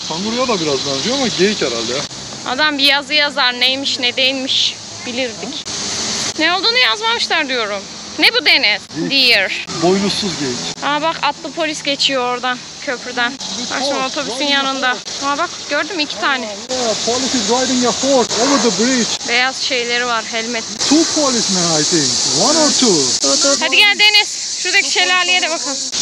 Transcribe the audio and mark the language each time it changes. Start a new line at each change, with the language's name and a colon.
Turkish: Kanguruya da biraz benziyor ama geyik herhalde. Adam bir yazı yazar, neymiş ne değilmiş bilirdik. Ne olduğunu yazmamışlar diyorum. Ne bu Deniz? Deer. Boynuzsuz geyik. Aa bak, atlı polis geçiyor oradan, köprüden. Aşağı otobüsün yanında. Aa bak, gördüm iki tane.
English: Police is riding a horse over the bridge.
Turkish: Beyaz şeyleri var, helmet.
English: Two policemen I think. One or two.
Turkish: Hadi gel Deniz. Şuradaki şelaleye de bakalım.